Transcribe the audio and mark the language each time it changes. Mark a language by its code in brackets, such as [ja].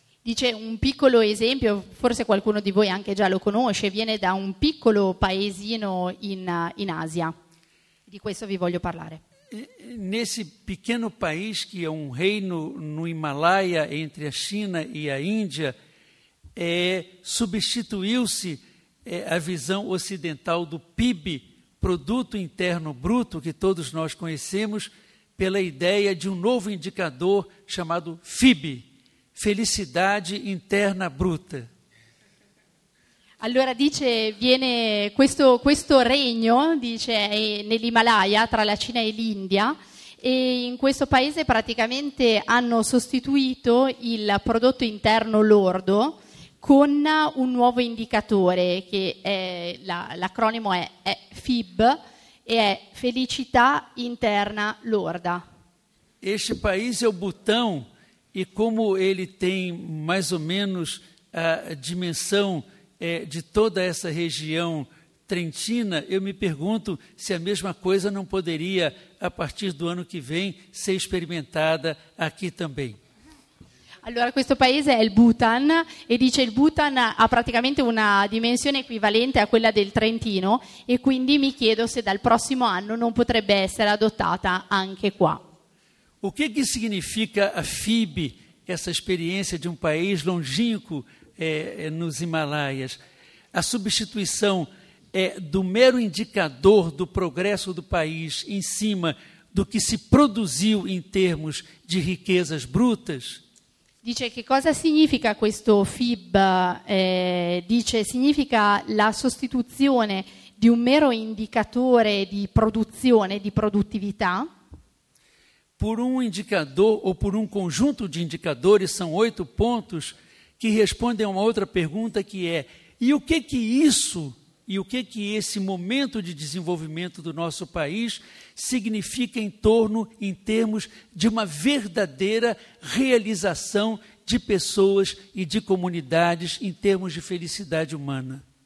[it] Dice um piccolo esempio, forse qualcuno di voi anche già lo conosce, viene da um piccolo paesino in Asia. Di questo vi voglio parlare. [pt] Nesse pequeno país, que é um reino no Himalaia, entre a China e a Índia, substituiu-se a visão ocidental do PIB, Produto Interno Bruto, que todos nós conhecemos, pela ideia de um novo indicador chamado FIB, Felicidade Interna Bruta. [it] Allora dice, viene questo regno, dice, nell'Himalaya, tra la Cina e l'India, e in questo paese praticamente hanno sostituito il prodotto interno lordo con un nuovo indicatore, che è l'acronimo è FIB, e è Felicità Interna Lorda. [pt] Este [it] paese è il [pt] Butão, e come ele tem mais ou menos a dimensão de toda essa região trentina, eu me pergunto se a mesma coisa não poderia, a partir do ano que vem, ser experimentada aqui também. [it] Allora, questo paese è il Bhutan, e dice il Bhutan ha praticamente una dimensione equivalente a quella del Trentino, e quindi mi chiedo se dal prossimo anno non potrebbe essere adottata anche qua. [pt] O que significa a FIB, essa experiência de um país longínquo, nos Himalaias, a substituição do mero indicador do progresso do país em cima do que se produziu em termos de riquezas brutas? [it] Dice che cosa significa questo FIB? Dice significa la sostituzione di un mero indicatore di produzione, di produttività? [pt] Por um indicador ou por um conjunto de indicadores, são 8 pontos, que respondem a uma outra pergunta que é: e o que que isso, e o que que esse momento de desenvolvimento do nosso país significa em torno, em termos de uma verdadeira realização de pessoas e de comunidades em termos de felicidade humana?